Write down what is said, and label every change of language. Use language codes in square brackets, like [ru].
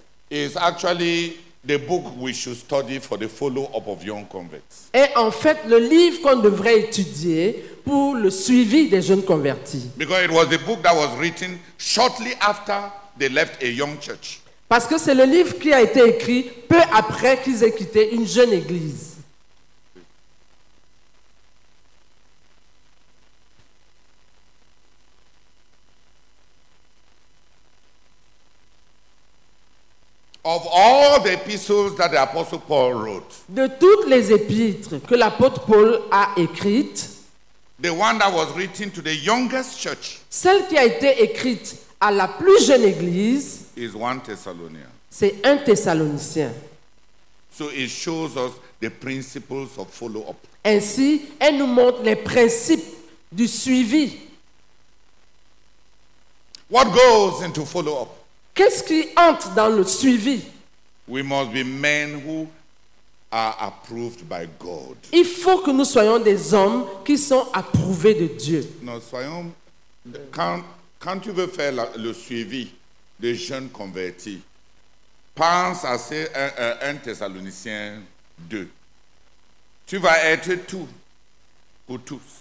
[en] is actually the book we should study for the follow-up of young converts. [fr] Est en fait le livre qu'on devrait étudier pour le suivi des jeunes convertis. [en] Because it was the book that was written shortly after they left a young church. [fr] Parce que c'est le livre qui a été écrit peu après qu'ils aient quitté une jeune église. [en] Of all the epistles that the apostle Paul wrote. [fr] De toutes les épîtres que l'apôtre Paul a écrites. [en] The one that was written to the youngest church. [fr] Celle qui a été écrite à la plus jeune église. [en] Is 1 Thessalonians. [fr] C'est 1 Thessalonicien. [en] So it shows us the principles of follow-up. [fr] Ainsi, elle nous montre les principes du suivi. [en] What goes into follow-up? [fr] Qu'est-ce qui entre dans le suivi? [en] We must be men who are approved by God. [fr] Il faut que nous soyons des hommes qui sont approuvés de Dieu. Non, soyons. Quand tu veux faire le suivi des jeunes convertis, pense à 1 Thessaloniciens 2. Tu vas être tout pour tous.